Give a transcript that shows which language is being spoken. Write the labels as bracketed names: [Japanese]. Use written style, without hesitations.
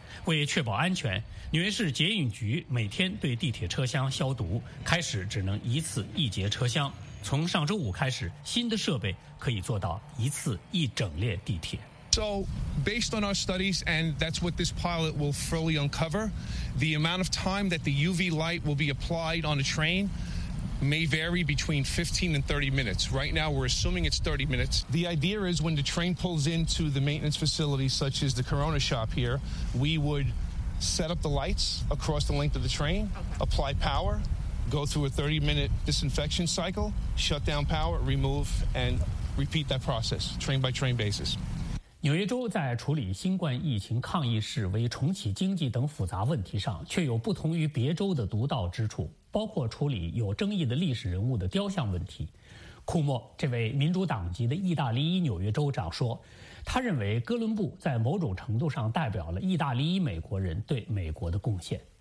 [Chinese] 为确保安全，纽约市捷运局每天对地铁车厢消毒，开始只能一次一节车厢，从上周五开始，新的设备可以做到一次一整列地铁。 [English] So, based on our studies, and that's what this pilot will fully uncover, the amount of time that the UV light will be applied on a train may vary between 15 and 30 minutes. Right now, we're assuming it's 30 minutes. The idea is when the train pulls into the maintenance facility, such as the Corona shop here, we would set up the lights across the length of the train, apply power, go through a 30-minute disinfection cycle, shut down power, remove, and repeat that process, train by train basis. [Chinese] 纽约州在处理新冠疫情抗疫示威、重启经济等复杂问题上却有不同于别州的独到之处，包括处理有争议的历史人物的雕像问题。库莫这位民主党籍的意大利裔纽约州长说，他认为哥伦布在某种程度上代表了意大利裔美国人对美国的贡献。